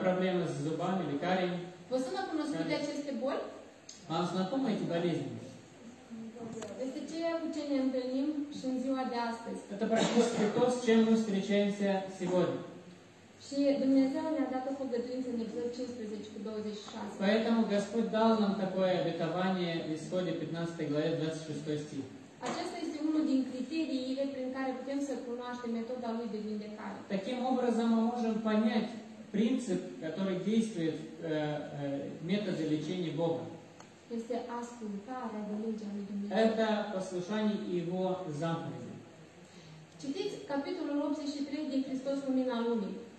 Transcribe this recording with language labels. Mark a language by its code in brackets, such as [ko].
[ru] Проблемы с зубами или карием. Вы сами понимаете, что это боль? Вам знакомы эти болезни? Это те учения, которые мы встречаем в день сегодня. Это практически то, с чем мы встречаемся сегодня. [ro] Și Dumnezeu ne-a dat o făgăduință în Exod 15:26. [ru] Поэтому Господь дал нам такое обетование в Исходе 15 главе 26 стих. [ro] Acesta este unul din criteriile prin care putem să cunoaștem metoda lui de vindecare. [ru] Таким образом мы можем понять принцип, который действует в методе лечения Бога. [ro] Este ascultarea de legea lui Dumnezeu. [ru] Это послушание Его заповедей. [ro] Citiți capitolul 83 din Hristos Lumina Lumii.